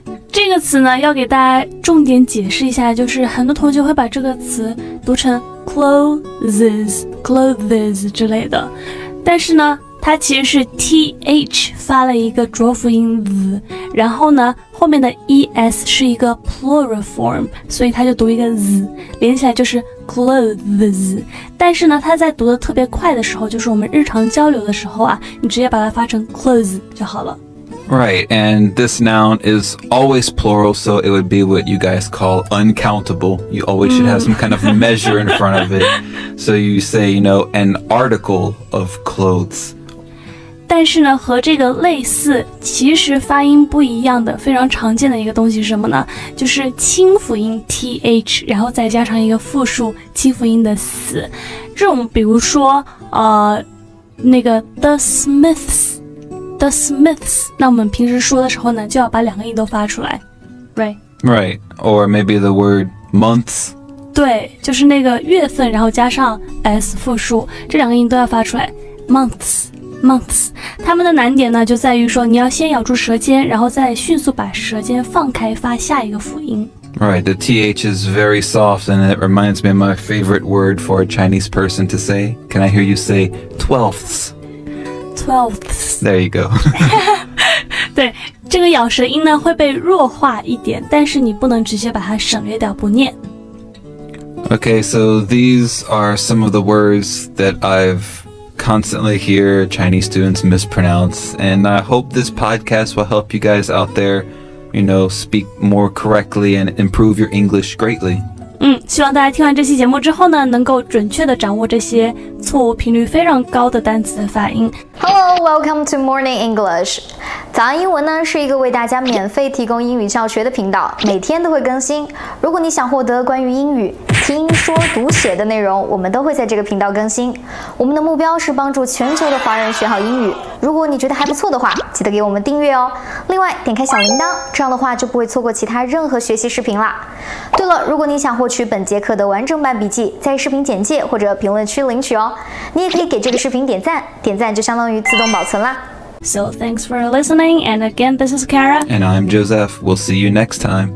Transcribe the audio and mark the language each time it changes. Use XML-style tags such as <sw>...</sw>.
<zh>这个词呢要给大家重点解释一下就是很多同学会把这个词读成 clothes clothes 之类的但是呢它其实是 th 发了一个浊辅音 z 然后呢后面的 es 是一个 plural form 所以它就读一个 z 连起来就是 clothes 但是呢它在读得特别快的时候就是我们日常交流的时候啊你直接把它发成 clothes 就好了</zh> <en>Right, and this noun is always plural, so it would be what you guys call uncountable. You always should have some kind of measure in front of it. So you say, you know, an article of clothes.</en> <zh>但是呢，和这个类似，其实发音不一样的，非常常见的一个东西是什么呢？就是轻辅音 th, 然后再加上一个复数轻辅音的 s. 这种比如说，那个 the smiths,The Smiths, 那我们平时说的时候呢就要把两个音都发出来</zh> <en>Right? Right, or maybe the word months</en> <zh>对就是那个月份然后加上 S 复数这两个音都要发出来 Months, months 它们的难点呢就在于说你要先咬住舌尖然后再迅速把舌尖放开发下一个辅音</zh> <en>Right, the TH is very soft and it reminds me of my favorite word for a Chinese person to say Can I hear you say twelfths? Twelfths There you go.</en> <zh>对这个咬舌音呢会被弱化一点但是你不能直接把它省略掉不念。</zh> <en>Okay, so these are some of the words that I've constantly hear Chinese students mispronounce. And I hope this podcast will help you guys out there, you know, speak more correctly and improve your English greatly.</en> <zh>希望大家听完这期节目之后呢能够准确地掌握这些错误频率非常高的单词的发音</zh> <en>Hello, welcome to Morning English</en> <zh>早安英文呢是一个为大家免费提供英语教学的频道每天都会更新如果你想获得关于英语听说读写的内容我们都会在这个频道更新。我们的目标是帮助全球的华人学好英语，如果你觉得还不错的话，记得给我们订阅哦。另外点开小铃铛，这样的话就不会错过其他任何学习视频了。对了，如果你想获取本节课的完整版笔记，在视频简介或者评论区领取哦。你也可以给这个视频点赞，点赞就相当于自动保存啦。</zh> <en>So thanks for listening, and again, this is Kara. And I'm Joseph. We'll see you next time.</en>